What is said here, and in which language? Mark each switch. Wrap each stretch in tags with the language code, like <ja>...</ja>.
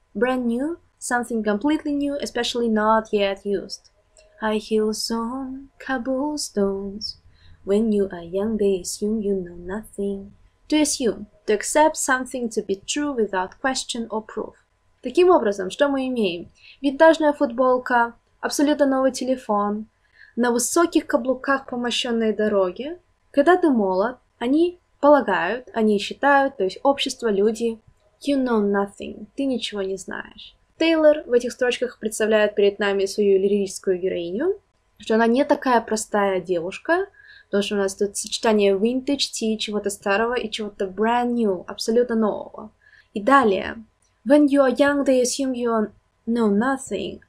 <en>Brand new — something completely new, especially not yet used. High heels on cobblestones. When you are young, they assume you know nothing. To assume. To accept something to be true without question or proof.</en> <ru>Таким образом, что мы имеем? Винтажная футболка, абсолютно новый телефон, на высоких каблуках по мощенной дороге. Когда ты молод, они полагают, они считают, то есть общество, люди.</ru> <en>You know nothing.</en> <ru>Ты ничего не знаешь. Тейлор в этих строчках представляет перед нами свою лирическую героиню, что она не такая простая девушка, потому что у нас тут сочетание vintage tea, чего-то старого и чего-то brand new, абсолютно нового. И далее.</ru> <en>When you are young, they assume you know nothing.</en>